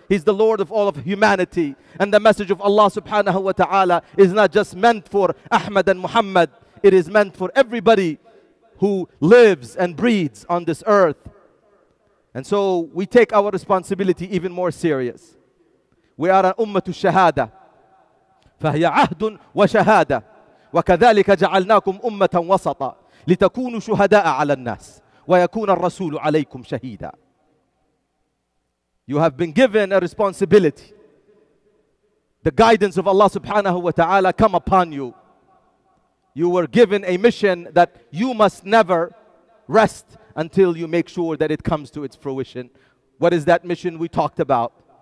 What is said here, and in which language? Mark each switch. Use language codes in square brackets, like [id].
[en] He's the Lord of all of humanity. And the message of Allah subhanahu wa ta'ala is not just meant for Ahmad and Muhammad. It is meant for everybody who lives and breathes on this earth. And so we take our responsibility even more serious. We are an [ar] ummatu shahada. فهي عهد وشهادة وكذلك جعلناكم أمة وسطا لتكونوا شهداء على الناس ويكون الرسول عليكم شهيدا. [en] You have been given a responsibility. The guidance of Allah subhanahu wa ta'ala come upon you. You were given a mission that you must never rest until you make sure that it comes to its fruition. What is that mission we talked about?